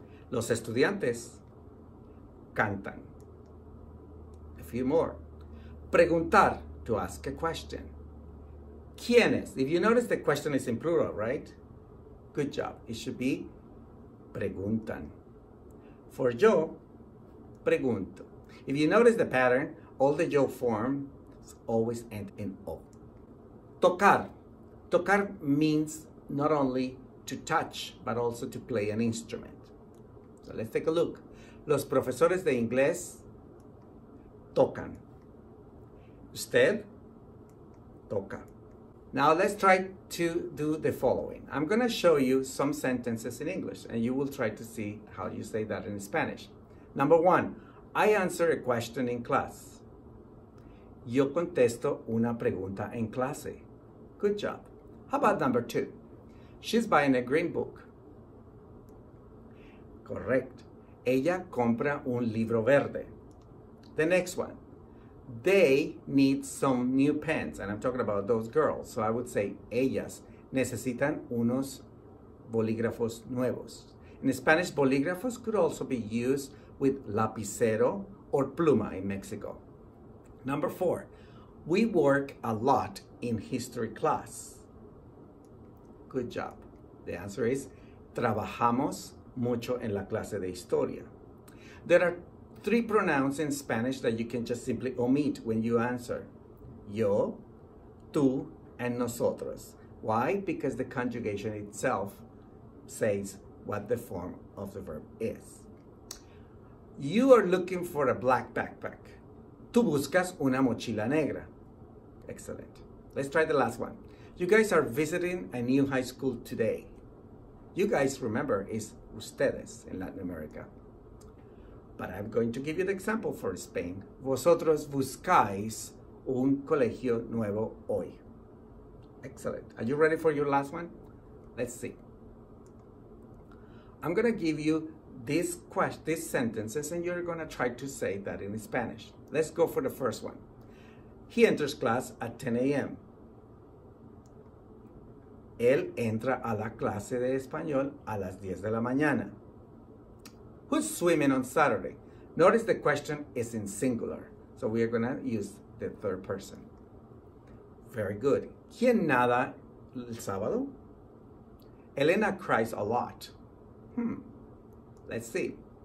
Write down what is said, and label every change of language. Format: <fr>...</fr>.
<es>Los estudiantes cantan.</es> <en>A few more. Preguntar, to ask a question. ¿Quiénes? If you notice, the question is in plural, right? Good job. It should be preguntan. For yo, pregunto. If you notice the pattern, all the yo form always end in O. Tocar. Tocar means not only to touch, but also to play an instrument. So let's take a look.</en> <es>Los profesores de inglés tocan. Usted toca.</es> <en>Now let's try to do the following. I'm going to show you some sentences in English, and you will try to see how you say that in Spanish. Number one, I answer a question in class.</en> <es>Yo contesto una pregunta en clase.</es> <en>Good job. How about number two? She's buying a green book. Correct.</en> <es>Ella compra un libro verde.</es> <en>The next one. They need some new pens. And I'm talking about those girls. So I would say</en> <es>ellas necesitan unos bolígrafos nuevos.</es> <en>In Spanish, bolígrafos could also be used with lapicero or pluma in Mexico. Number four, we work a lot in history class. Good job.</en> <es>The answer is, trabajamos mucho en la clase de historia.</es> <en>There are three pronouns in Spanish that you can just simply omit when you answer. Yo, tú, and nosotros. Why? Because the conjugation itself says what the form of the verb is. You are looking for a black backpack.</en> <es>Tú buscas una mochila negra.</es> <en>Excellent. Let's try the last one. You guys are visiting a new high school today. You guys, remember, is ustedes in Latin America. But I'm going to give you the example for Spain.</en> <es>Vosotros buscáis un colegio nuevo hoy.</es> <en>Excellent. Are you ready for your last one? Let's see. I'm going to give you these sentences, and you're going to try to say that in Spanish. Let's go for the first one. He enters class at 10 a.m.</en> <es>Él entra a la clase de español a las 10 de la mañana.</es> <en>Who's swimming on Saturday? Notice the question is in singular, so we are going to use the third person. Very good.</en> <es>¿Quién nada el sábado?</es> <en>Elena cries a lot. Let's see.</en>